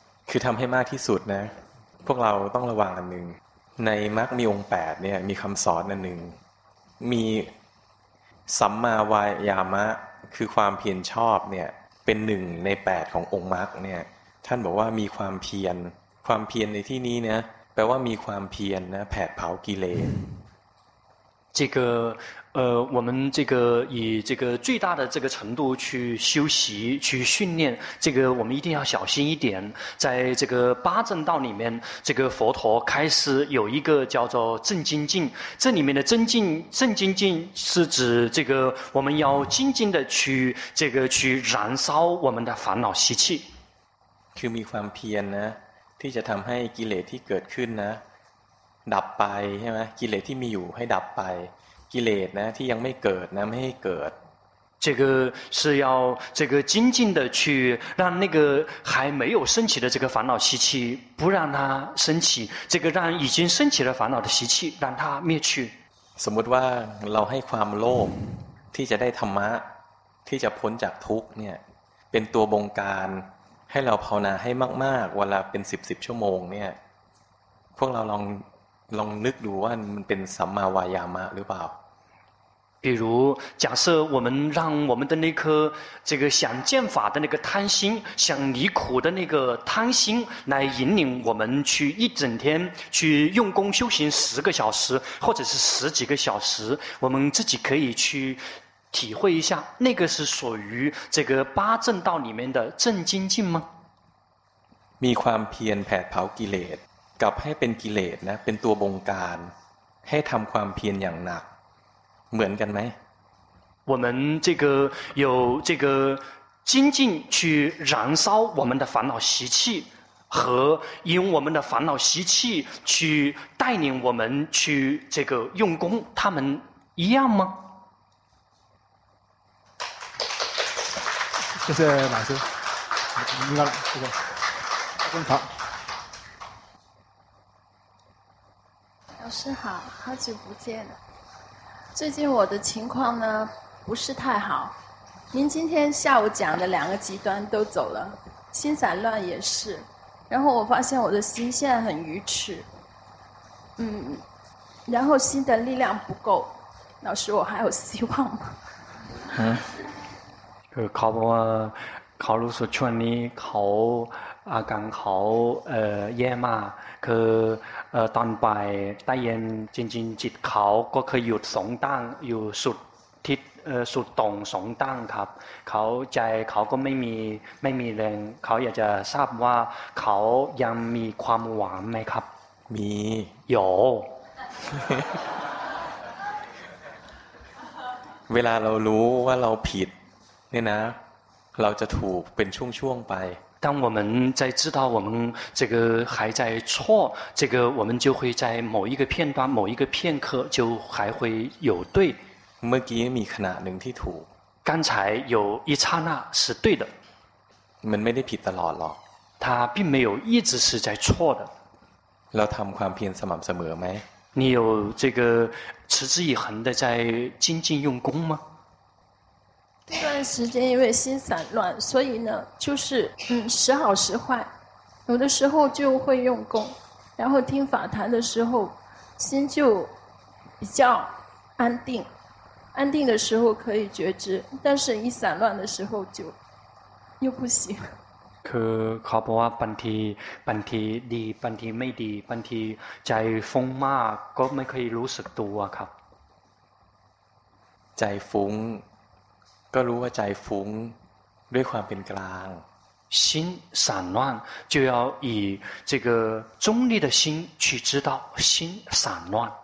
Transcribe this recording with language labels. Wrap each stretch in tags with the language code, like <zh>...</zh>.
<th>คือทำให้มากที่สุดนะพวกเราต้องระวังอันหนึ่งในมรรคมีองค์8เนี่ยมีคำสอนอันหนึ่งมีสัมมาวายามะคือความเพียรชอบเนี่ยเป็นหนึ่งใน8ขององค์มรรคเนี่ยท่านบอกว่ามีความเพียรความเพียรในที่นี้นะแปลว่ามีความเพียรนะแผดเผากิเลส</th> <zh>这个我们这个以这个最大的这个程度去修习去训练这个我们一定要小心一点在这个八正道里面这个佛陀开始有一个叫做正精进这里面的正精进是指这个我们要精进的去这个去燃烧我们的烦恼习气</zh> <th>คือมีความเพียรนะที่จะทำให้กิเลสที่เกิดขึ้นนะดับไปใช่ไหมกิเลสที่มีอยู่ให้ดับไปกิเลสนะที่ยังไม่เกิดนะไม่ให้เกิด</th> <zh>这个是要这个精进的去让那个还没有升起的这个烦恼习气不让它升起这个让已经升起了烦恼的习气让它灭去</zh> <th>สมมติว่าเราให้ความโลภที่จะได้ธรรมะที่จะพ้นจากทุกข์เนี่ยเป็นตัวบงการให้เราภาวนาให้มากๆเวลาเป็น10ชั่วโมงเนี่ยพวกเราลองนึกดูว่ามันเป็นสัมมาวายามะหรือเปล่า</th> <zh>比如假设我们让我们的那颗这个想见法的那个贪心想离苦的那个贪心来引领我们去一整天去用功修行十个小时或者是十几个小时我们自己可以去体会一下那个是属于这个八正道里面的正精进吗</zh> <th>มีความเพียรแผดเผากิเลสกลับให้เป็นกิเลสนะเป็นตัวบงการให้ทำความเพียรอย่างหนักเหมือนกันไหม</th> <zh>我们这个有这个精进去燃烧我们的烦恼习气和用我们的烦恼习气去带领我们去这个用功他们一样吗谢谢老师明白了谢谢好老师好，好久不见。最近我的情况呢不是太好。您今天下午讲的两个极端都走了，心散乱也是。然后我发现我的心现在很愚痴，然后心的力量不够。老师，我还有希望吗？</zh> <th>เขาบอกว่าเขารู้สึกช่วงนี้เขาอาการเขาแย่มากคือตอนไปใต้เย็นจริงๆจิตเขาก็เคยหยุดสองตั้งอยู่สุดทิศสุดตรงสองตั้งครับเขาใจเขาก็ไม่มีแรงเขาอยากจะทราบว่าเขายังมีความหวังไหมครับ มี อยู่เวลาเรารู้ว่าเราผิดเนี่ยนะเราจะถูกเป็นช่วงๆไป</th> <zh>当我们在知道我们这个还在错这个我们就会在某一个片段某一个片刻就还会有对</zh> <th>เมื่อกี้มีขณะหนึ่งที่ถูก</th> <zh>刚才有一刹那是对的。</zh> <th>มันไม่ได้ผิดตลอดหรอก。</th> <zh>它并没有一直是在错的。</zh> <th>เราทำความเพียรสม่ำเสมอไหม？</th> <zh>你有这个持之以恒的在精进用功吗？这段时间因为心散乱，所以呢，就是时好时坏，有的时候就会用功，然后听法谈的时候，心就比较安定，安定的时候可以觉知，但是一散乱的时候就又不行。</zh> <th>คือเขาบอกว่าบางทีดีบางทีไม่ดีบางทีใจฟุ้งมากก็ไม่เคยรู้สึกตัวครับ ใจฟุ้งก็รู้ว่าใจฟุ้งด้วยความเป็นกลาง</th> <zh>心散乱就要以这个中立的心去知道心散乱</zh>